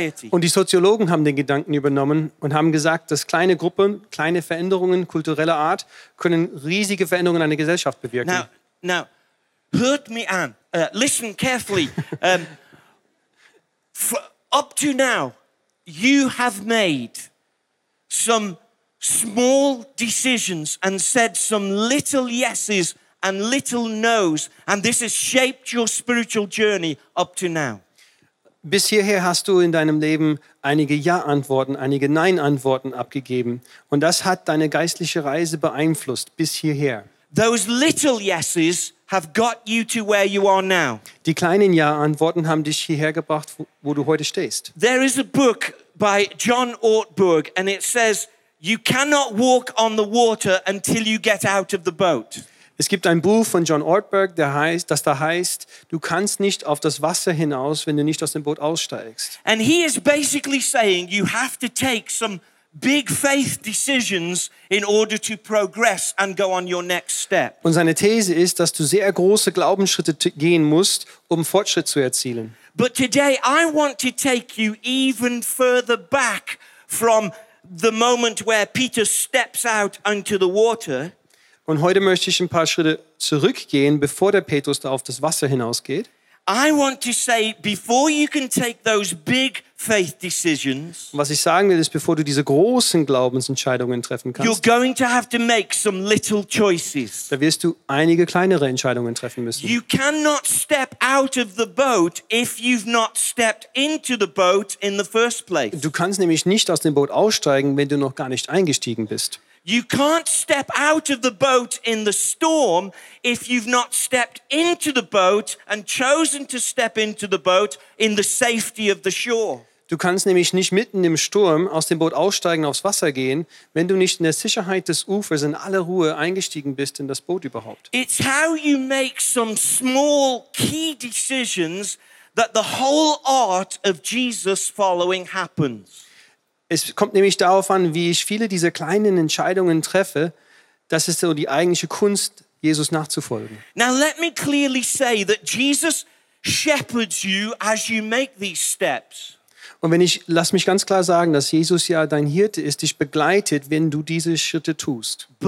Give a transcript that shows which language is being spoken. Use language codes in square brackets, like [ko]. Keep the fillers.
[de] Und die Soziologen haben den Gedanken übernommen und haben gesagt, dass kleine Gruppen, kleine Veränderungen kultureller Art können riesige Veränderungen in einer Gesellschaft bewirken. [en] Now, now hurt me, on. Uh, listen carefully. Um, up to now, you have made some small decisions and said some little yeses and little noes, and this has shaped your spiritual journey up to now. [de] Bis hierher hast du in deinem Leben einige Ja-Antworten, einige Nein-Antworten abgegeben. Und das hat deine geistliche Reise beeinflusst bis hierher [en] those little yeses have got you to where you are now. [de] Die kleinen Ja-Antworten haben dich hierher gebracht, wo, wo du heute stehst. [en] There is a book by John Ortberg and it says you cannot walk on the water until you get out of the boat. [de] Es gibt ein Buch von John Ortberg, das da heißt, du kannst nicht auf das Wasser hinaus, wenn du nicht aus dem Boot aussteigst. [en] And he is basically saying you have to take some big faith decisions in order to progress and go on your next step. [de] Und seine These ist, dass du sehr große Glaubensschritte gehen musst, um Fortschritt zu erzielen. [en] But today I want to take you even further back from the moment where Peter steps out onto the water. [de] Und heute möchte ich ein paar Schritte zurückgehen, bevor der Petrus da auf das Wasser hinausgeht. [en] I want to say before you can take those big faith decisions. [de] Was ich sagen will ist bevor du diese großen Glaubensentscheidungen treffen kannst. [en] You're going to have to make some little choices. [de] Da wirst du einige kleinere Entscheidungen treffen müssen. [en] You cannot step out of the boat if you've not stepped into the boat in the first place. [de] Du kannst nämlich nicht aus dem Boot aussteigen, wenn du noch gar nicht eingestiegen bist. [en] You can't step out of the boat in the storm if you've not stepped into the boat and chosen to step into the boat in the safety of the shore. [de] Du kannst nämlich nicht mitten im Sturm aus dem Boot aussteigen aufs Wasser gehen, wenn du nicht in der Sicherheit des Ufers in aller Ruhe eingestiegen bist in das Boot überhaupt. [en] It's how you make some small key decisions that the whole art of Jesus following happens. [de] es kommt nämlich darauf an, wie ich viele dieser kleinen Entscheidungen treffe. Das ist so die eigentliche Kunst, Jesus nachzufolgen. [en] Jesus you you [de] Und wenn ich lass mich ganz klar sagen, dass Jesus ja dein Hirte ist, dich begleitet, wenn du diese Schritte tust.